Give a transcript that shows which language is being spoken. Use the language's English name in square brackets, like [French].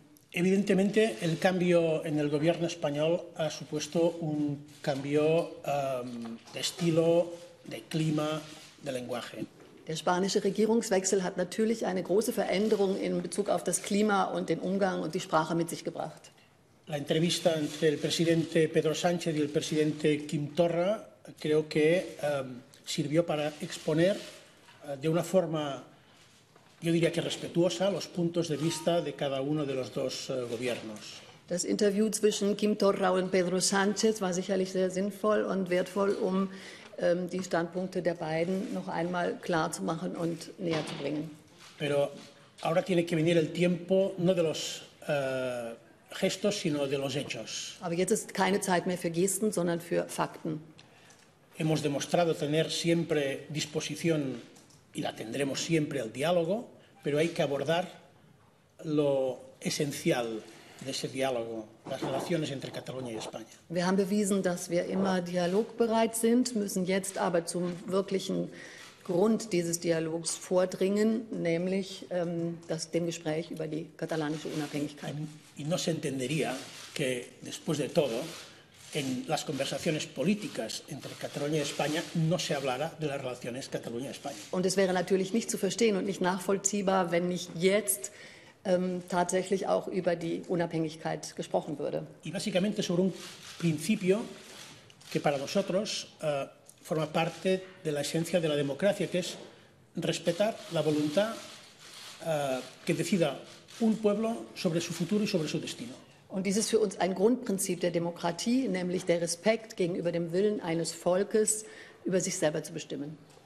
[Spanish] Evidentemente, el cambio en el gobierno español ha supuesto un cambio de estilo, de clima, de lenguaje. [German] Der spanische Regierungswechsel hat natürlich eine große Veränderung in Bezug auf das Klima und den Umgang und die Sprache mit sich gebracht. [Spanish] La entrevista entre el presidente Pedro Sánchez y el presidente Quim Torra creo que sirvió para exponer de una forma, yo diría que respetuosa, los puntos de vista de cada uno de los dos gobiernos. [German] Das Interview zwischen Quim Torra und Pedro Sánchez war sicherlich sehr sinnvoll und wertvoll, um die Standpunkte der beiden noch einmal klar zu machen und näher zu bringen. [Spanish] Pero ahora tiene que venir el tiempo no de los gestos sino de los hechos. [German] Aber jetzt ist keine Zeit mehr für Gesten, sondern für Fakten. [Spanish] Hemos demostrado tener siempre disposición y la tendremos siempre al diálogo, pero hay que abordar lo esencial de ese diálogo, las relaciones entre Cataluña y España. [German] Wir haben bewiesen, dass wir immer dialogbereit sind, müssen jetzt aber zum wirklichen Grund dieses Dialogs vordringen, nämlich dem Gespräch über die katalanische Unabhängigkeit. [Spanish] Y no se entendería que, después de todo, en las conversaciones políticas entre Cataluña y España no se hablara de las relaciones Cataluña-España. [German] Und es wäre natürlich nicht zu verstehen und nicht nachvollziehbar, wenn nicht jetzt tatsächlich auch über die Unabhängigkeit gesprochen würde. [Spanish] Y básicamente sobre un principio que para nosotros forma parte de la esencia de la democracia, que es respetar la voluntad que decida un pueblo sobre su futuro y sobre su destino. [German] Und dies ist für uns ein Grundprinzip der Demokratie, nämlich der Respekt gegenüber dem Willen eines Volkes, über sich selber zu bestimmen.